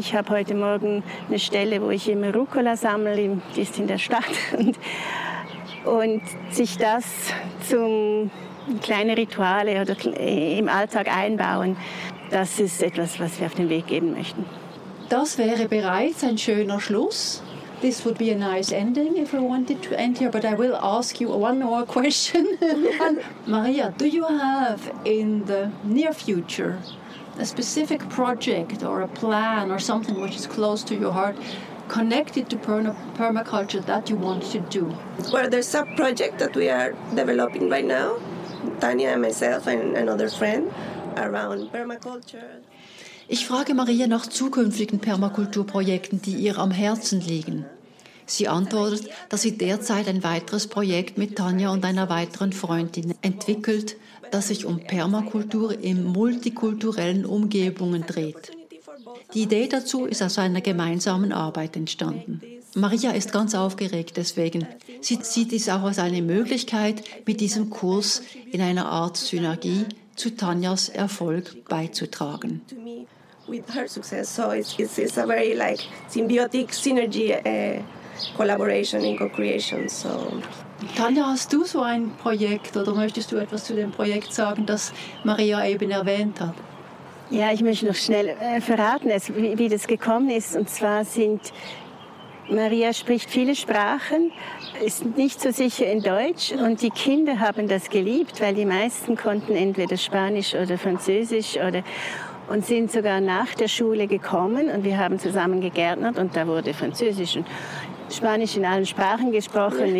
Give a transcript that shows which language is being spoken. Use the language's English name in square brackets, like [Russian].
[German] Ich habe heute Morgen eine Stelle, wo ich immer Rucola sammle, die ist in der Stadt. Und sich das zum kleine Rituale oder im Alltag einbauen, das ist etwas, was wir auf den Weg geben möchten. Das wäre bereits ein schöner Schluss. [English] This would be a nice ending if we wanted to end here, but I will ask you one more question. Maria, do you have in the near future a specific project or a plan or something which is close to your heart connected to permaculture that you want to do? Well, there's a project that we are developing right now, Tanya and myself and another friend, around permaculture. [German] Ich frage Maria nach zukünftigen Permakulturprojekten, die ihr am Herzen liegen. Sie antwortet, dass sie derzeit ein weiteres Projekt mit Tanja und einer weiteren Freundin entwickelt, das sich um Permakultur in multikulturellen Umgebungen dreht. Die Idee dazu ist aus einer gemeinsamen Arbeit entstanden. Maria ist ganz aufgeregt deswegen. Sie sieht es auch als eine Möglichkeit, mit diesem Kurs in einer Art Synergie zu Tanjas Erfolg beizutragen. [English] With her success, so it's a very like symbiotic synergy collaboration in co-creation. So, [German] Tanja, hast du so ein Projekt oder möchtest du etwas zu dem Projekt sagen, das Maria eben erwähnt hat? Ja, ich möchte noch schnell verraten, wie das gekommen ist. Und zwar Maria spricht viele Sprachen, ist nicht so sicher in Deutsch, und die Kinder haben das geliebt, weil die meisten konnten entweder Spanisch oder Französisch oder und sind sogar nach der Schule gekommen und wir haben zusammen gegärtnert und da wurde Französisch und Spanisch in allen Sprachen gesprochen.